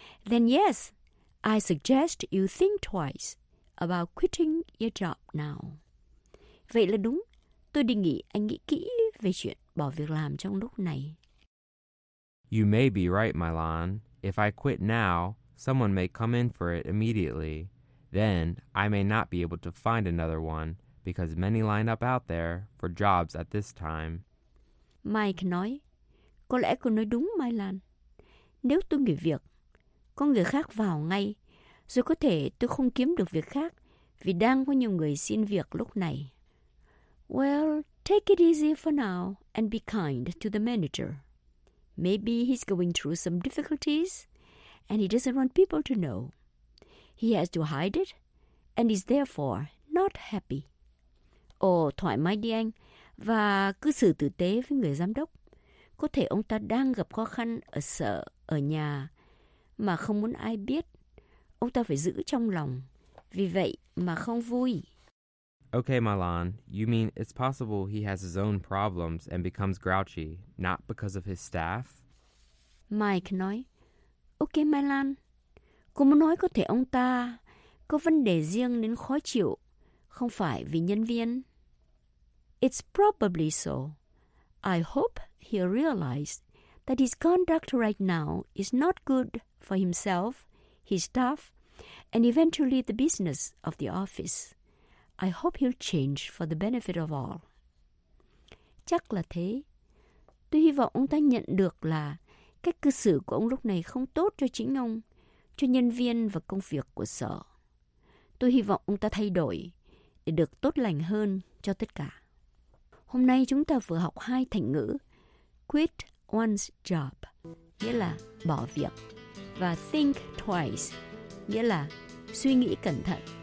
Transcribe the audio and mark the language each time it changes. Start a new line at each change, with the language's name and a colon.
English: Then yes, I suggest you think twice about quitting your job now.
Vietnamese: Vậy là đúng. Tôi đề nghị anh nghĩ kỹ về chuyện bỏ việc làm trong lúc này.
English: You may be right, Milan. If I quit now, someone may come in for it immediately. Then, I may not be able to find another one because many line up out there for jobs at this time.
Vietnamese: Mike nói, có lẽ cô nói đúng, Milan. Nếu tôi nghỉ việc, có người khác vào ngay, rồi có thể tôi không kiếm được việc khác vì đang có nhiều người xin việc lúc này.
English: Well, take it easy for now and be kind to the manager. Maybe he's going through some difficulties and he doesn't want people to know. He has to hide it and is therefore not happy.
Vietnamese: Thoải mái đi anh và cứ xử tử tế với người giám đốc. Có thể ông ta đang gặp khó khăn ở sở, ở nhà mà không muốn ai biết. Ông ta phải giữ trong lòng, vì vậy mà không vui.
English: Okay, Milan, you mean it's possible he has his own problems and becomes grouchy, not because of his staff?
Vietnamese: Mike nói, okay, Milan, cô muốn nói có thể ông ta có vấn đề riêng nên khó chịu, không phải vì nhân viên.
English: It's probably so. I hope he'll realize that his conduct right now is not good for himself, his staff, and eventually the business of the office. I hope he'll change for the benefit of all.
Vietnamese: Chắc là thế. Tôi hy vọng ông ta nhận được là cách cư xử của ông lúc này không tốt cho chính ông, cho nhân viên và công việc của sở. Tôi hy vọng ông ta thay đổi để được tốt lành hơn cho tất cả. Hôm nay chúng ta vừa học hai thành ngữ
English: quit one's job,
Vietnamese: nghĩa là bỏ việc, và
English: think twice,
Vietnamese: nghĩa là suy nghĩ cẩn thận.